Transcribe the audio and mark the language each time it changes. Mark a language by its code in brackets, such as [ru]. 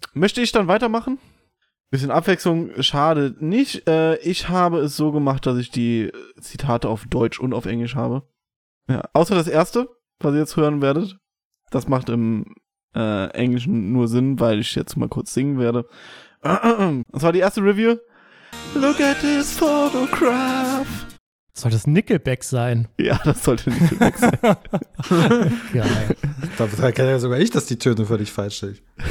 [de] Möchte ich dann weitermachen? Bisschen Abwechslung schadet nicht. Ich habe es so gemacht, dass ich die Zitate auf Deutsch und auf Englisch habe. Ja, außer das erste, was ihr jetzt hören werdet. Das macht im Englischen nur Sinn, weil ich jetzt mal kurz singen werde. Das war die erste Review. [en] Look at this photograph. [de] Soll das Nickelback sein? Ja, das sollte Nickelback sein. Da kann ja sogar ich, dass die Töne völlig falsch sind.